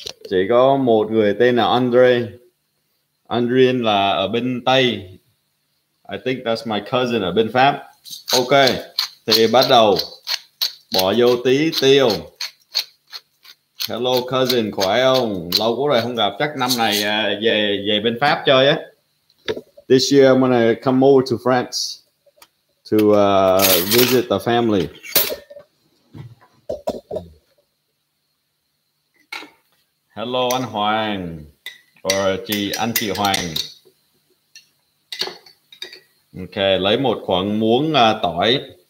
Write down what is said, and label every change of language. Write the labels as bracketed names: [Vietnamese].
[Vietnamese] Chỉ có một người tên là Andre. Andre là ở bên Tây. [English] I think that's my cousin [Vietnamese] ở bên Pháp. Ok, thì bắt đầu bỏ vô tí tiêu. [English] Hello cousin, [Vietnamese] khỏe không? Lâu quá rồi không gặp, chắc năm này về bên Pháp chơi á. [English] This year I'm gonna come over to France to visit the family. [Vietnamese] Hello anh Hoàng, or chị anh chị Hoàng. Ok, lấy một khoảng muỗng tỏi.